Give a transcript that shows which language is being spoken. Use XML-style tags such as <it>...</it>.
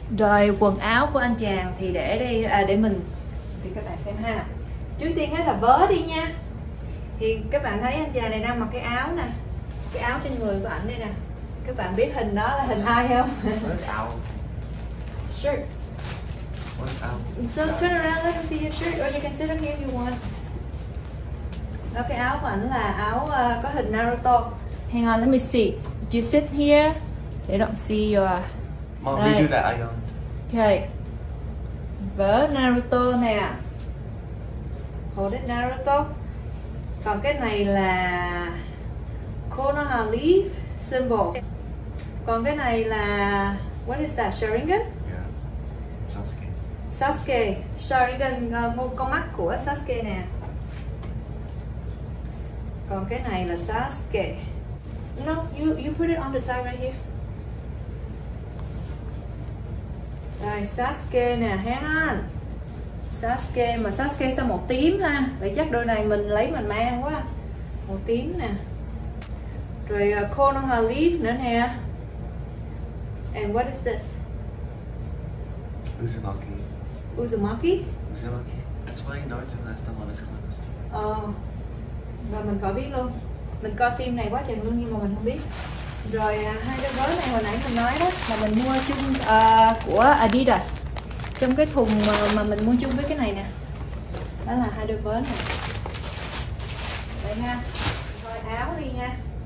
<vi>Rồi quần áo của anh chàng thì để đây để mình thì các bạn xem ha. Trước tiên hết là vớ đi nha. Thì các bạn thấy anh chàng này đang mặc cái áo nè, cái áo trên người của ảnh đây nè. Các bạn biết hình đó là hình ai không?</vi> <en>Shirt. So turn around, let me see your shirt, or you can sit on here if you want.</en> <vi>Đó, cái áo của ảnh là áo có hình Naruto.</vi> <en>Hang on, let me see. You sit here. They don't see your. Mom, we do that. I don't. Okay.</en> <vi>Vớ Naruto nè.</vi> <en>Hold it, Naruto.</en> <vi>Còn cái này là Konoha leaf symbol. Còn cái này là</vi> <en>what is that?</en> <vi>Sharingan?</vi> <en>Yeah. Sasuke. Sasuke.</en> <vi>Sharingan, con mắt của Sasuke nè. Còn cái này là Sasuke.</vi> <en>No, you put it on the side right here.</en> <vi>Rồi, Sasuke nè,</vi> <en>hang on.</en> <vi>Sasuke, mà Sasuke sao màu tím ha. Vậy chắc đôi này mình lấy mình mang quá. Màu tím nè. Rồi, Konoha leaf nữa nè.</vi> <en>And what is this?</en> <vi>Uzumaki. Uzumaki? Uzumaki.</vi> <en>That's why Naruto has them on his clothes.</en> <vi>Oh. Rồi, mình có biết luôn. Mình coi phim này quá chừng luôn nhưng mà mình không biết. Rồi hai cái vớ này hồi nãy mình nói đó là mình mua chung của Adidas. Trong cái thùng mà mình mua chung với cái này nè. Đó là hai đôi vớ này. Đây ha. Thôi áo đi nha.</vi>